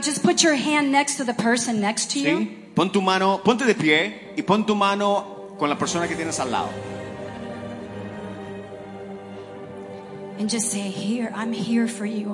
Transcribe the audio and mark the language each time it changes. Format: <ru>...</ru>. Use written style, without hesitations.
<en>Just put your hand next to the person next to</en> <es>sí.</es> <en>you.</en> <es>Pon tu mano, ponte de pie y pon tu mano con la persona que tienes al lado.</es> <en>And just say, here, I'm here for you.</en>